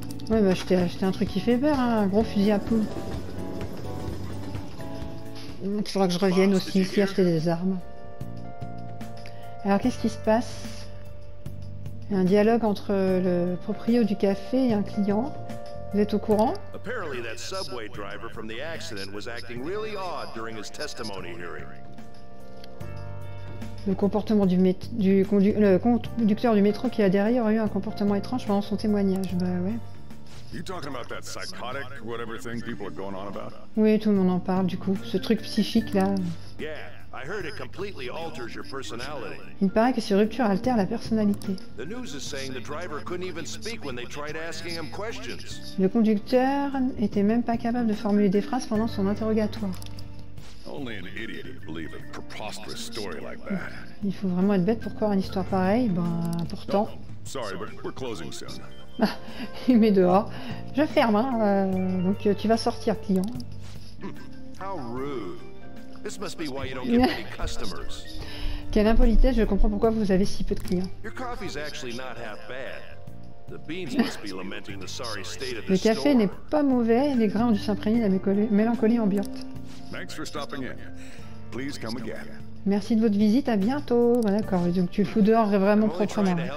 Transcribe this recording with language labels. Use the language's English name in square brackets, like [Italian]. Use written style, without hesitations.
[French] Ouais, bah je t'ai acheté un truc qui fait peur, hein, un gros fusil à poule. Il faudra que je revienne aussi ici acheter des armes. Alors qu'est-ce qui se passe? Il y a un dialogue entre le proprio du café et un client. Vous êtes au courant? [English] Apparently that subway driver from the accident was acting really odd during his testimony hearing. [French] Le comportement du conducteur du métro qui a derrière a eu un comportement étrange pendant son témoignage. Bah ouais. [English] You talking about that psychotic whatever thing people are going on about? [French] Oui, tout le monde en parle du coup, ce truc psychique là. [English] Yeah, I heard it completely alters your personality. [French] Il paraît que ces ruptures altèrent la personnalité. [English] The news is saying the driver couldn't even speak when they tried asking him questions. [French] Le conducteur était même pas capable de formuler des phrases pendant son interrogatoire. [English] Only an idiot would believe a preposterous story like that. [French] Il faut vraiment être bête pour croire une histoire pareille, ben pourtant. [English] Sorry, but we're closing soon. [French] Il met dehors. Je ferme, hein. Donc tu vas sortir, client. [English] How rude. This must be why you don't get many customers. [French] Quelle impolitesse, je comprends pourquoi vous avez si peu de clients. [English] Your coffee's actually not half bad. The beans must be lamenting the sorry state of the [French] Le café n'est pas mauvais, les grains ont dû s'imprégner de la mélancolie ambiante. [English] Thanks for stopping in. Please come again. [French] Merci de votre visite, à bientôt. Bon, d'accord, donc tu le fous dehors vraiment proprement.